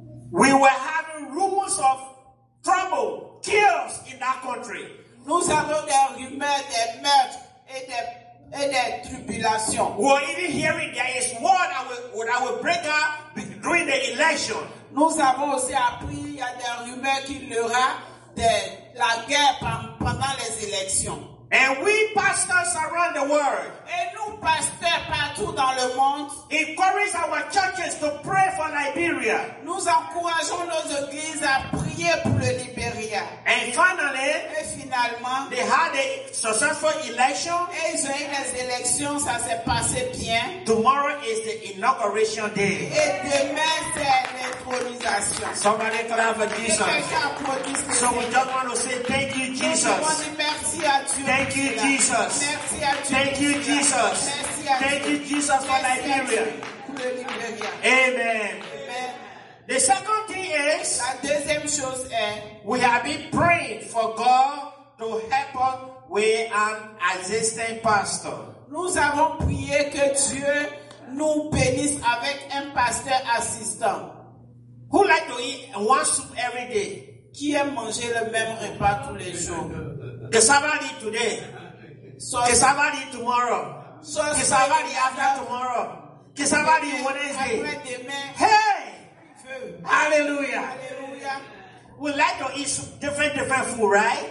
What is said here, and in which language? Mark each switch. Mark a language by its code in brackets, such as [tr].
[en] We were having rumors of trouble, chaos in that country. [fr] Nous avons des rumeurs, des meurtres et des tribulations. [en] We were even hearing there is war that will break out during the election. [fr] Nous avons aussi appris. Il y a des rumeurs qu'il y aura de la guerre pendant les élections. [en] And we pastors around the world. [fr] Et nous pasteurs partout dans le monde. [en] Encourage our churches to pray for Liberia. [fr] Nous encourageons nos églises à prier pour le Liberia. [en] And finally, [fr] et finalement, [en] they had a successful election. [fr] Et ils ont eu les élections, ça s'est passé bien. [en] Tomorrow is the inauguration day. [fr] Et demain c'est l'intronisation. [en] Somebody clap for Jesus. So we just want to say thank you, Jesus. [fr] Nous demandons merci à Dieu. [en] Thank you, Jesus. [fr] Merci à Dieu. [en] Thank you, Jesus. [fr] Merci à Dieu. [en] Thank you, Jesus, for Liberia. Amen. The second thing is, [fr] la deuxième chose est, [en] we have been praying for God to help us with an assistant pastor. [fr] Nous avons prié que Dieu nous bénisse avec un pasteur assistant. [en] Who like to eat one soup every day? [fr] Qui aime manger le même repas tous les jours? Que ça va dire [en] today? [fr] Que ça va dire [en] tomorrow? [fr] Que ça va dire [en] after tomorrow? [fr] Que ça va dire [en] Wednesday? [fr] Hey! [en] Hallelujah! We like to eat different food, right?